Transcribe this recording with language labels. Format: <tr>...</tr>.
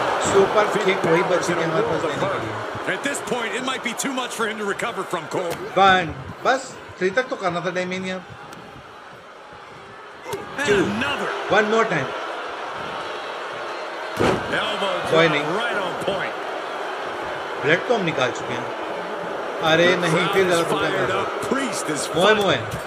<hi>Super kick वही बची थी हमारे पास देने के लिए.</hi> <en>At this point, it might be too much for him to recover from Cole. Bang.</en> <hi>बस थ्री तक तो करना था डेमियन यार.</hi> <en>Two. Another. One more time. Elbow.</en> <hi>कोई नहीं.</hi> <en>Right on point.</en> <hi>ब्लड तो हम निकाल चुके हैं. अरे नहीं फिर गलत हो गया. मोए मोए.</hi>